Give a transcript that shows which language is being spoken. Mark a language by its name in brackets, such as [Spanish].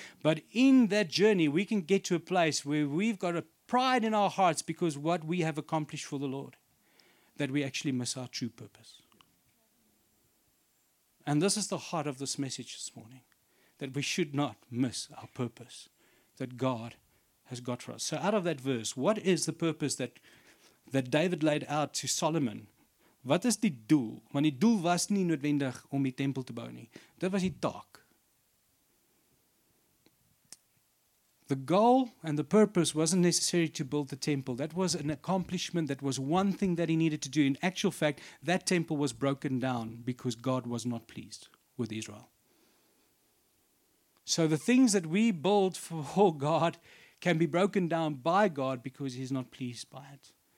[English] But in that journey, we can get to a place where we've got a pride in our hearts because what we have accomplished for the Lord, that we actually miss our true purpose. And this is the heart of this message this morning, that we should not miss our purpose that God has got for us. So out of that verse, what is the purpose that David laid out to Solomon? [Afrikaans] Wat is die doel? Want die doel was nie noodwendig om die tempel te bou nie. Dit was die taak. [English] The goal and the purpose wasn't necessary to build the temple. That was an accomplishment. That was one thing that he needed to do. In actual fact, that temple was broken down because God was not pleased with Israel. So the things that we build for God can be broken down by God because he's not pleased by it.